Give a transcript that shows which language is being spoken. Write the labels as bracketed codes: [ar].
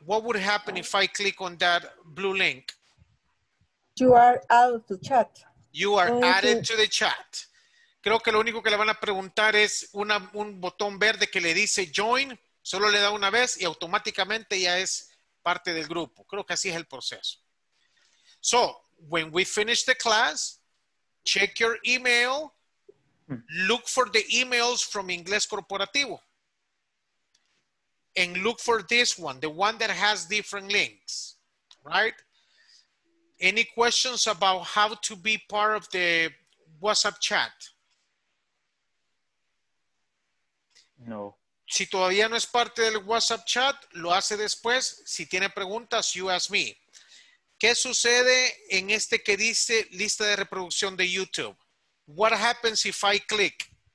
[en] What would happen if I click on that blue link? You are added to chat. You are added to the chat. [es] Creo que lo único que le van a preguntar es un botón verde que le dice join. Solo le da una vez y automáticamente ya es... parte del grupo. Creo que así es el proceso. [en] So, when we finish the class, check your email, look for the emails from Inglés Corporativo, and look for this one, the one that has different links, right? Any questions about how to be part of the WhatsApp chat? No. [es] Si todavía no es parte del WhatsApp chat, lo hace después. Si tiene preguntas, [en] you ask me. [es] ¿Qué sucede en este que dice lista de reproducción de YouTube? [en] What happens if I click?